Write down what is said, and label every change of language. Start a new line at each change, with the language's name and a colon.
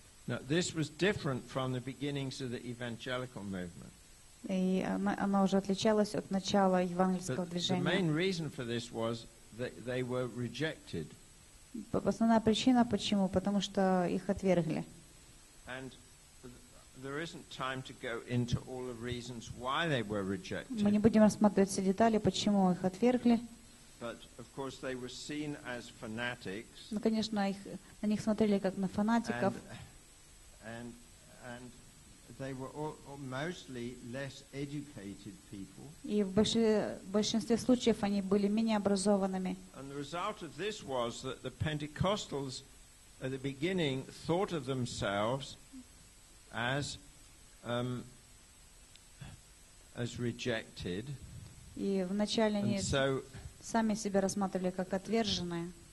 English: Now, this was different from the beginnings of the evangelical movement.
Russian: И оно уже отличалось от начала евангельского движения.
English: The main reason for this was that they were rejected.
Russian: Основная причина почему? Потому что их отвергли.
English: And there isn't time to go into all the reasons why they were rejected.
Russian: Мы не будем рассматривать все детали, почему их отвергли.
English: But of course they were seen as fanatics.
Russian: Ну, конечно, на них смотрели как на фанатиков.
English: And they were all mostly less educated people.
Russian: И в большинстве случаев они были менее образованными.
English: And the result of this was that the Pentecostals at the beginning thought of themselves as as rejected.
Russian: И вначале они сами себя рассматривали как отверженные.